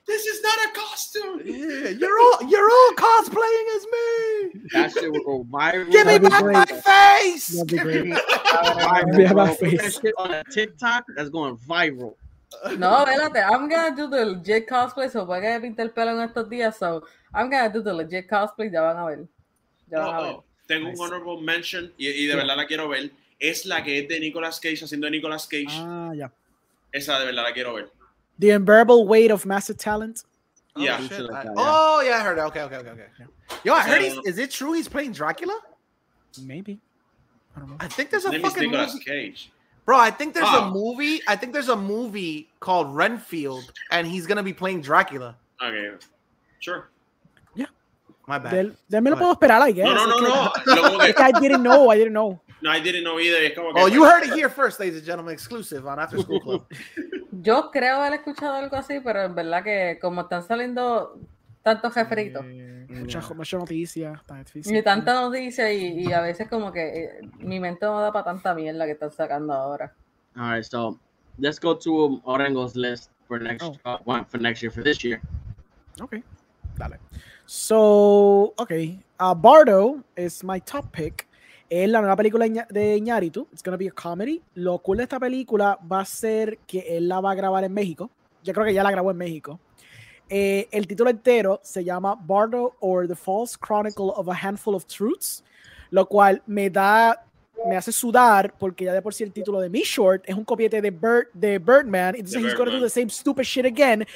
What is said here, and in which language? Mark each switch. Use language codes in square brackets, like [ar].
[en] This is not a costume. Yeah, you're all cosplaying as me. That shit will go viral. Give me back my face. That'd be great. Give me back my face. That shit on a TikTok that's going viral. No, vélate. I'm gonna do the legit cosplay. [es] So, voy a pintar el pelo en estos días. [en] So, I'm gonna do the legit cosplay. [es] Ya van a ver. Tengo un honorable mention y de verdad la quiero ver. Es la que es de Nicolas Cage haciendo Nicolas Cage. [en] Ah, yeah. [es] Esa de verdad la quiero ver. [en] The Unbearable Weight of Massive Talent. Oh, yeah. Oh, yeah, I heard it. Okay. Yeah. Yo, I heard he's. Is it true he's playing Dracula? Maybe. I don't know. I think there's a fucking Nicolas Cage. Bro, I think there's a movie. I think there's a movie called Renfield, and he's gonna be playing Dracula. Okay, sure. Yeah, my bad. [es] Then me lo puedo esperar, [en] I guess. No. I didn't know. No, I didn't know either. Como que, oh, you heard it here first, ladies and gentlemen, exclusive on After School Club. [es] Yo creo haber escuchado algo así, pero en verdad que como están saliendo tantos jefritos. Mucha noticia, y a veces como que mi mente no da para tanta mierda que están sacando ahora. [en] All right, so let's go to Orengo's list for next for this year. Okay, dale. So, okay, Bardo is my top pick. [es] Es la nueva película de Iñárritu. [en] It's going to be a comedy. [es] Lo cool de esta película va a ser que él la va a grabar en México. Yo creo que ya la grabó en México. El título entero se llama Bardo or the False Chronicle of a Handful of Truths, lo cual me da, me hace sudar porque ya de por sí el título de Me Short es un copiete de Birdman. [en] It's he's going to do the same stupid shit again.